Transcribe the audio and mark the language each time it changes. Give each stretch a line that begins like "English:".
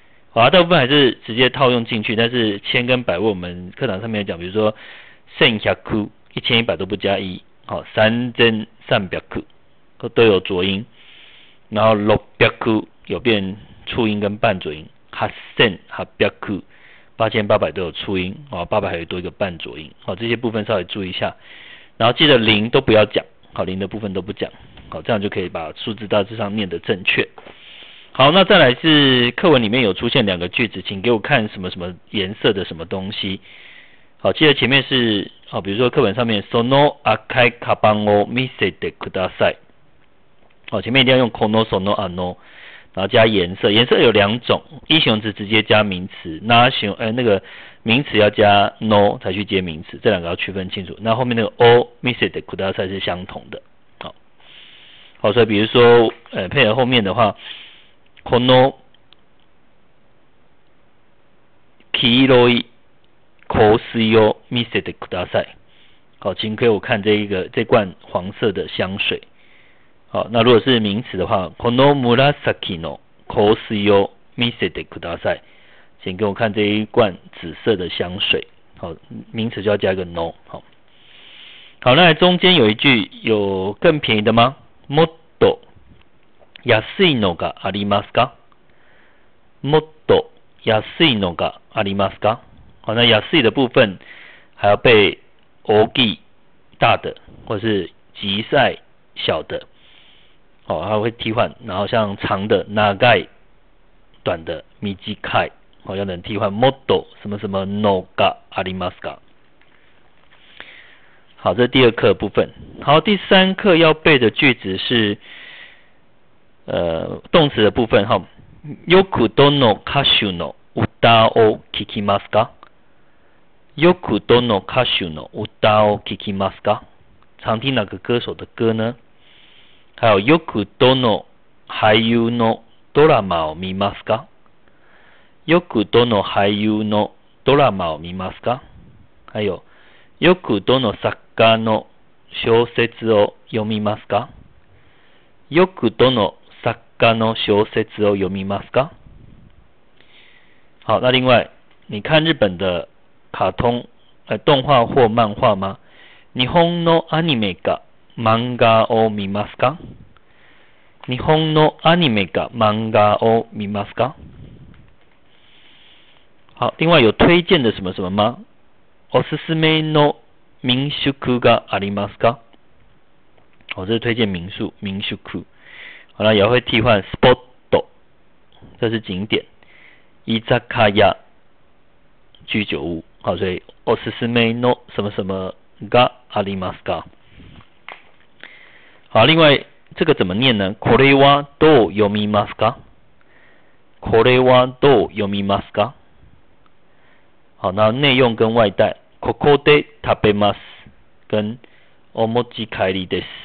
Chinese: 好，大部分还是直接套用进去，但是千跟百位我们课堂上面讲，比如说千百句，一千一百都不加一，好，三千三百句都有浊音，然后六百句有变促音跟半浊音，八千八百句八千八百都有促音，好，八百还有多一个半浊音，好，这些部分稍微注意一下，然后记得零都不要讲，好，零的部分都不讲，好，这样就可以把数字大致上念得正确。好，那再来是课文里面有出现两个句子，请给我看什么什么颜色的什么东西。好，接着前面是好，比如说课文上面
Japanese: その赤いカバンを見せてください。
Chinese: 好，前面一定要用このそのあの，然后加颜色，颜色有两种，一形容词直接加名词，那形容那个名词要加 no 才去接名词，这两个要区分清楚。那后面那个
Japanese: を見せてください
Chinese: 是相同的。好，好，所以比如说配合后面的话。
Japanese: この黄色い香水を見せてください。
Chinese: 好，请给我看这一个这罐黄色的香水。好，那如果是名词的话，
Japanese: この紫の香水を見せてください。
Chinese: 请给我看这一罐紫色的香水。好，名词就要加一个 no。好，好，那中间有一句，有更便宜的吗？
Japanese: もっと安いのがありますか？もっと安いのがありますか？
Chinese: 好，那安い的部分还要背大きい大的，或是极細小的，好，还会替换。然后像长的長い短的短い，好，要能替换。
Japanese: もっと
Chinese: 什么什么
Japanese: のがありますか？
Chinese: 好，这是第二课部分。好，第三课要背的句子是。动词的部分哈，
Japanese: よくどの歌手の歌を聞きますか？よくどの歌手の歌を聞きますか？
Chinese: 常听哪个歌手的歌呢？还有
Japanese: よくどの俳優のドラマを見ますか？よくどの俳優のドラマを見ますか？还有よくどの作家の小説を読みますか？よくどの作家の小説を読みますか？
Chinese: 好，那另外，你看日本的卡通、动画或漫画吗？
Japanese: 日本のアニメか漫画を見ますか？日本のアニメか漫画を見ますか？
Chinese: 好，另外有推荐的什么什么吗？
Japanese: おすすめの民宿がありますか？
Chinese: 好，这是推荐民宿，民宿。好了，也会替换 spot， 这是景点。 izakaya 居酒屋，好，所以
Japanese: osusume no
Chinese: 什么什么
Japanese: ga arimasu ka。
Chinese: 好，另外这个怎么念呢？
Japanese: これはどう読みますか？これはどう読みますか？
Chinese: 好，那内用跟外带，
Japanese: ここで食べます
Chinese: 跟
Japanese: お持ち帰りです。